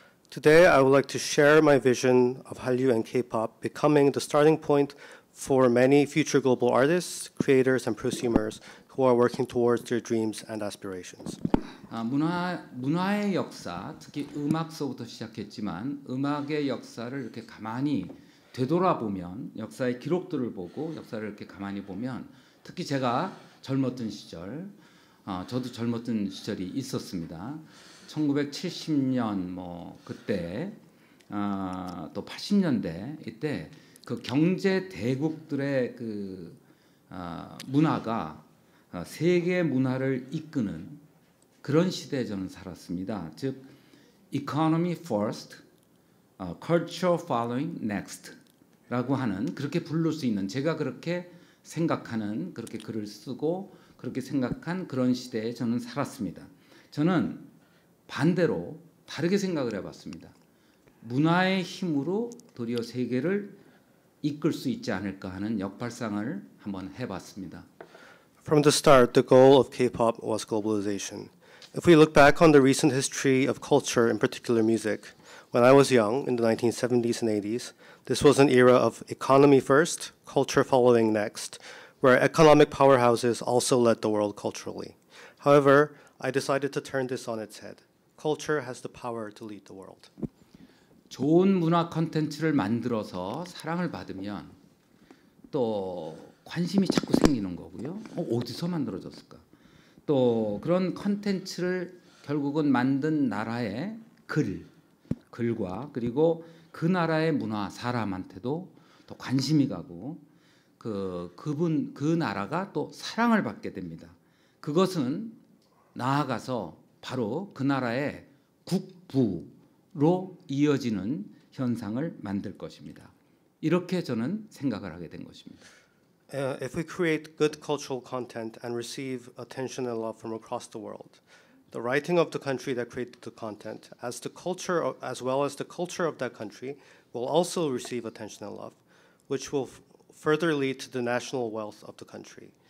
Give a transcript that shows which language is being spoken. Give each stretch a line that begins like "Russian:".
English: Today I would like to share my vision of Hallyu and K-pop becoming the starting point for many future global artists, creators and prosumers who are working towards their dreams and aspirations.
Korean: 문화의 역사, 특히 음악서부터 시작했지만 음악의 역사를 이렇게 가만히 되돌아보면 역사의 기록들을 보고 역사를 이렇게 가만히 보면 특히 제가 젊었던 시절, 저도 젊었던 시절이 있었습니다. 1970년 뭐 그때 또 80년대 이때 그 경제 대국들의 그 문화가 세계 문화를 이끄는 그런 시대에 저는 살았습니다. 즉,
English: economy first, culture following next
Korean: 라고 하는 그렇게 부를 수 있는 제가 그렇게 생각하는 그렇게 글을 쓰고 그렇게 생각한 그런 시대에 저는 살았습니다. 저는 반대로 다르게 생각을 해봤습니다. 문화의 힘으로 도리어 세계를 이끌 수 있지 않을까 하는 역발상을 한번 해봤습니다.
English: From the start, the goal of K-pop was globalization. If we look back on the recent history of culture, in particular music, when I was young, in the 1970s and 80s, this was an era of economy first, culture following next, where economic powerhouses also led the world culturally. However, I decided to turn this on its head. Culture has the power to lead the world.
Korean: 좋은 문화 콘텐츠를 만들어서 사랑을 받으면 또 관심이 자꾸 생기는 거고요. 어디서 만들어졌을까? 또 그런 콘텐츠를 결국은 만든 나라의 글과 그리고 그 나라의 문화 사람한테도 또 관심이 가고 그 나라가 또 사랑을 받게 됩니다. 그것은 나아가서 바로 그 나라의 국부로 이어지는 현상을 만들 것입니다. 이렇게 저는 생각을 하게 된 것입니다.
English: If we create good cultural content and receive attention and love from across the world, the writing of the country that created the content, as the culture of, as well as the culture of that country, will also receive attention and love, which will further lead to the national wealth of the country.